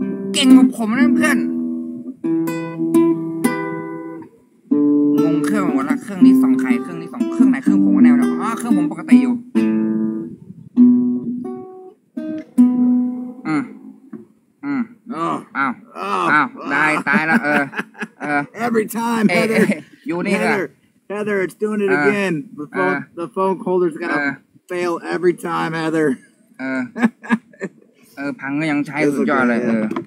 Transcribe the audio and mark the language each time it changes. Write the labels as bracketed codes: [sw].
[th] วเก่งกว่าผมนะเพื่อนเครื่องนี้สองใครเครื่องนี้สองเครื่องไหนเครื่องผมก็แนวเดียวอ๋อเครื่องผมปกติอยู่อ้าวได้ตายแล้ว [en] Every time Heather you need Heather it's doing it again the phone holder's gonna fail every time Heather [th] เออพังก็ยังใช้สุดยอดเลยเออ